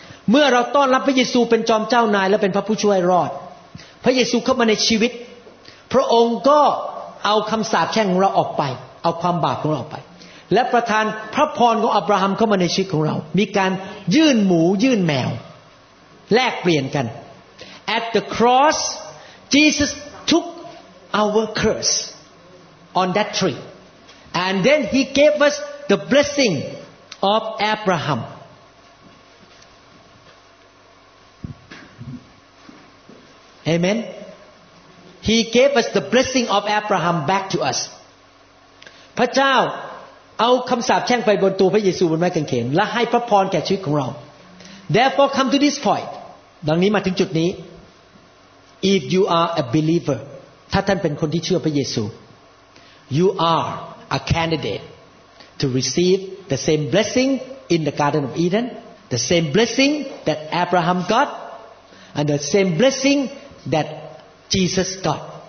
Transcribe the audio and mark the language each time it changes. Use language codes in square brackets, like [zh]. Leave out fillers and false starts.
[th] เมื่อเราต้อนรับพระเยซูเป็นจอมเจ้านายและเป็นพระผู้ช่วยรอดพระเยซูเข้ามาในชีวิตพระองค์ก็เอาคำสาปแช่งของเราออกไปเอาความบาปของเราออกไปและประทานพระพรของอับราฮัมเข้ามาในชีวิตของเรามีการยื่นหมูยื่นแมวแลกเปลี่ยนกัน [en] At the cross Jesus took our curse on that tree. And then he gave us the blessing of Abraham. Amen. He gave us the blessing of Abraham back to us. [th] พระเจ้าเอาคำสาปแช่งไปบนตัวพระเยซูบนไม้กางเขนและให้พระพรแก่ชีวิตของเรา [en] Therefore come to this point. [th] ดังนี้มาถึงจุดนี้ [en] If you are a believer, [th] ถ้าท่านเป็นคนที่เชื่อพระเยซู [en] You are a candidate to receive the same blessing in the Garden of Eden, the same blessing that Abraham got, and the same blessing that Jesus got.